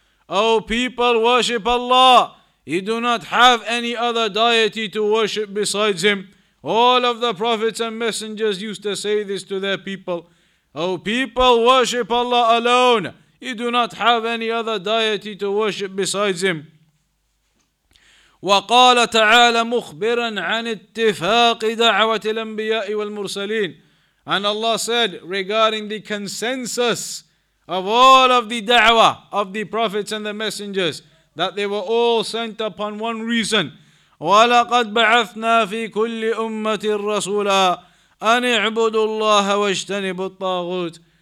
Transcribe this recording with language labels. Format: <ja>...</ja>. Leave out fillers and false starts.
<en>O people, worship Allah. You do not have any other deity to worship besides him. All of the prophets and messengers used to say this to their people. O people, worship Allah alone. You do not have any other deity to worship besides him.</en> <ar>وقال تعالى مخبرا عن اتفاق دعوة الأنبياء والمرسلين.</ar> <en>And Allah said regarding the consensus of all of the da'wah of the prophets and the messengers, that they were all sent upon one reason.</en> <ar>وَلَقَدْ بَعَثْنَا فِي كُلِّ أُمَّةٍ رَسُولًا أَنِ اعْبُدُوا اللَّهَ وَاجْتَنِبُوا الطَّاغُوتِ.</ar>